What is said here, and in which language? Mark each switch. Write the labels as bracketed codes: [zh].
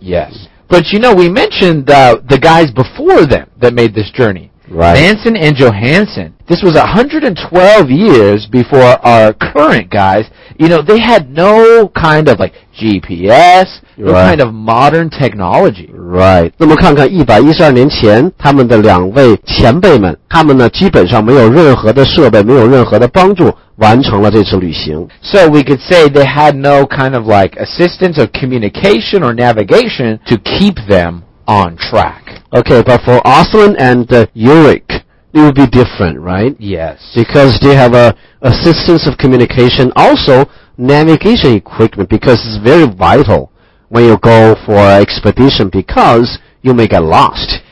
[en] Yes. But you know, we mentioned the guys before them that made this journey. Right. Manson and Johansson. This was 112 years before our current guys. You know, they had no kind of like GPS, no right. kind of modern technology. Right. [zh] 那么看看112年前他们的两位前辈们，他们呢基本上没有任何的设备，没有任何的帮助，完成了这次旅行。 [en] So we could say they had no kind of like assistance or communication or navigation to keep them on track. Okay, but for Oslin and Ulrik, it would be different, right? Yes. Because they have assistance of communication, also navigation equipment, because it's very vital when you go for an expedition, because you may get lost.